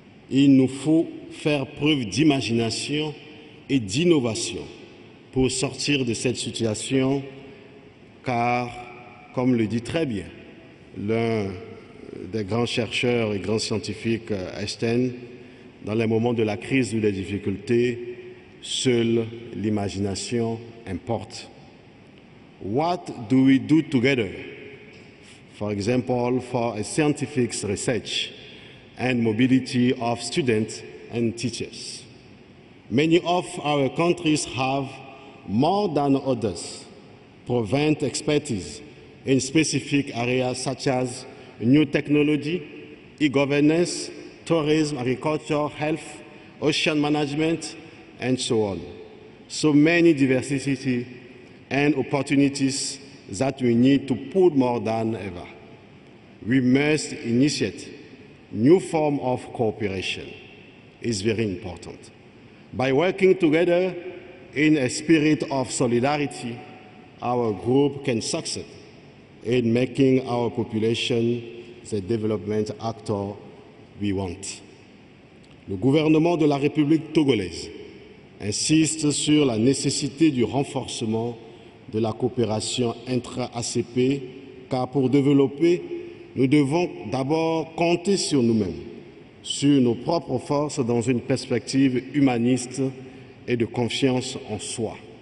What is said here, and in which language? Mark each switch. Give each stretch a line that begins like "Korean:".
French: Il nous faut faire preuve d'imagination et d'innovation pour sortir de cette situation, car, comme le dit très bien l'un des grands chercheurs et grands scientifiques, Einstein, dans les moments de la crise ou des difficultés, seule l'imagination importe.
English: What do we do together? For example, for a scientific research and mobility of students and teachers. Many of our countries have, more than others, provide expertise in specific areas such as new technology, e-governance, tourism, agriculture, health, ocean management, and so on. So many diversity and opportunities that we need to pull more than ever. We must initiate new form of cooperation. It's very important. By working together in a spirit of solidarity, our group can succeed in making our population the development actor we want.
French: Le gouvernement de la République togolaise insiste sur la nécessité du renforcement de la coopération intra-ACP, car pour développer, nous devons d'abord compter sur nous-mêmes, sur nos propres forces dans une perspective humaniste et de confiance en soi.